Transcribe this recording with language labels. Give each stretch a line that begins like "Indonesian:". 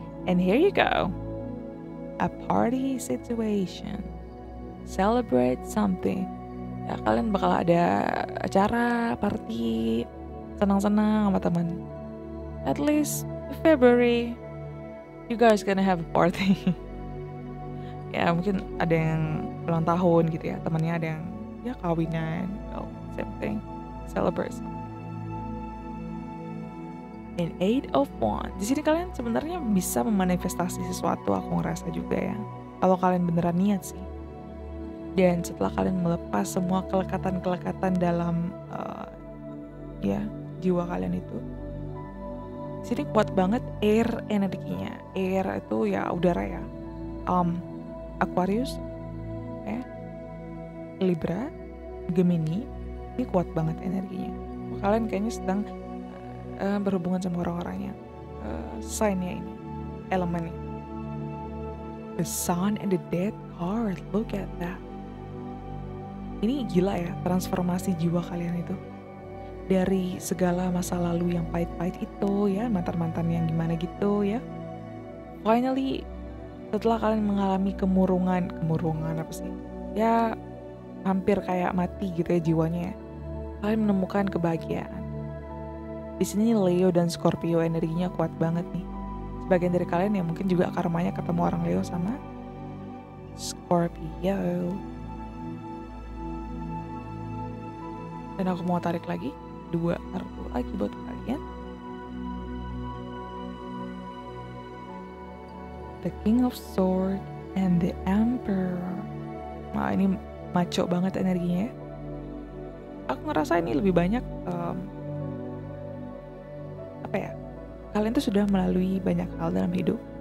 English: And here you go. A party situation. Celebrate something.
Indonesian: Ya, kalian bakal ada acara, party, senang-senang sama teman.
English: At least February, you guys gonna have a party.
Indonesian: Ya, mungkin ada yang ulang tahun gitu ya, temannya ada yang ya kawinan,
English: well, same thing. Celebrate something.
Indonesian: In 8 of Wands. Di sini kalian sebenarnya bisa memanifestasi sesuatu, aku ngerasa juga ya. Kalau kalian beneran niat sih. Dan setelah kalian melepas semua kelekatan-kelekatan dalam ya jiwa kalian itu, sini kuat banget air energinya. Air itu ya udara ya. Aquarius, Libra, Gemini, ini kuat banget energinya. Kalian kayaknya sedang berhubungan sama orang-orangnya. Signnya ini, elemen.
English: The Sun and the Death card. Look at that.
Indonesian: Ini gila ya, transformasi jiwa kalian itu. Dari segala masa lalu yang pahit-pahit itu ya, mantan-mantan yang gimana gitu ya. Finally, setelah kalian mengalami kemurungan apa sih? Ya, hampir kayak mati gitu ya jiwanya ya. Kalian menemukan kebahagiaan. Di sini Leo dan Scorpio energinya kuat banget nih. Sebagian dari kalian yang mungkin juga karmanya ketemu orang Leo sama Scorpio. Dan aku mau tarik lagi, dua kartu lagi buat kalian.
English: The King of Swords and the Emperor.
Indonesian: Nah, ini maco banget energinya. Aku ngerasa ini lebih banyak, kalian tuh sudah melalui banyak hal dalam hidup.